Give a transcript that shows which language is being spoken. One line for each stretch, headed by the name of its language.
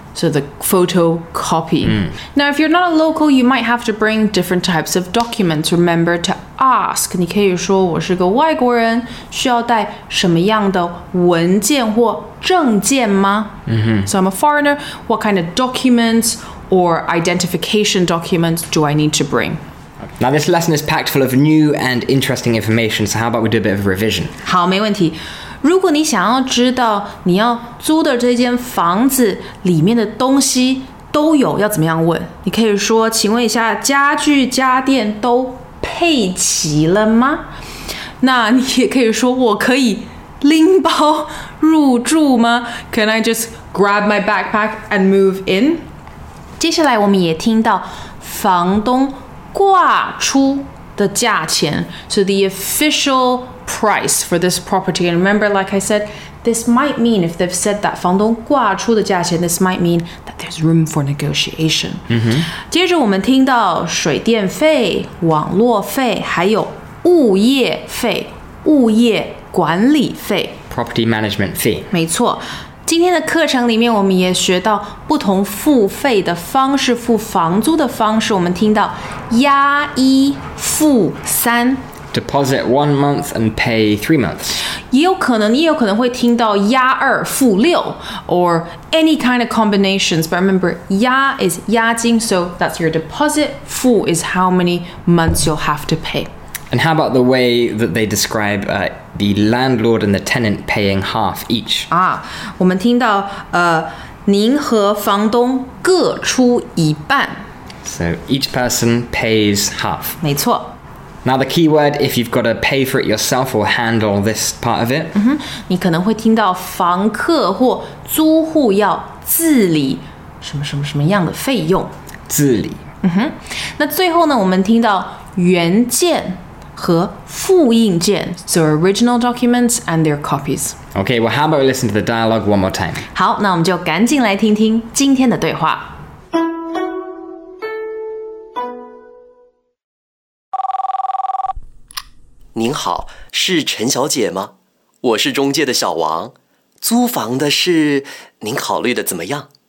English: So the photocopy. Now, if you're not a local, you might have to bring different types of documents. Remember to ask.
Chinese: 你可以说我是个外国人，需要带什么样的文件或证件吗？
English: So I'm a foreigner. What kind of documents or identification documents do I need to bring? Now, this lesson is packed full of new and interesting information. So how about we do a bit of a revision?
Chinese: 好，没问题。如果你想要知道你要租的这间房子里面的东西都有，要怎么样问？你可以说，请问一下，家具家电都配齐了吗？那你也可以说，我可以拎包入住吗？
English: Can I just grab my backpack and move in?
Chinese: 接下来我们也听到房东挂出的价钱，
English: so the official price for this property. And remember, like I said, this might mean if they've said that
Chinese: 房东挂出的价钱，
English: this might mean that there's room for negotiation.
Chinese: 接着我们听到水电费、网络费，还有物业费、物业管理费，
English: property management fee.
Chinese: 没错。今天的课程里面我们也学到不同付费的方式，付房租的方式，我们听到押一付三，
English: deposit 1 month and pay 3 months，
Chinese: 也有可能会听到押二付六，
English: or any kind of combinations. But remember, 押 is 押金， so that's your deposit. 付 is how many months you'll have to pay. And how about the way that they describethe landlord and the tenant paying half each.
Chinese: 我们听到您和房东各出一半。
English: So each person pays half.
Chinese: 没错。
English: Now the key word, if you've got to pay for it yourself or handle this part of it.
Chinese: 你可能会听到房客或租户要自理什么什么什么样的费用。自理。那最后呢，我们听到原件和复印件，
English: so original documents and their copies. Okay, well, how about we listen to the dialogue one more time?
Chinese: 好，那我们就赶紧来听听今天的对话。您好，是陈小姐吗？我是中介的小王，租房的事您考虑的怎么样？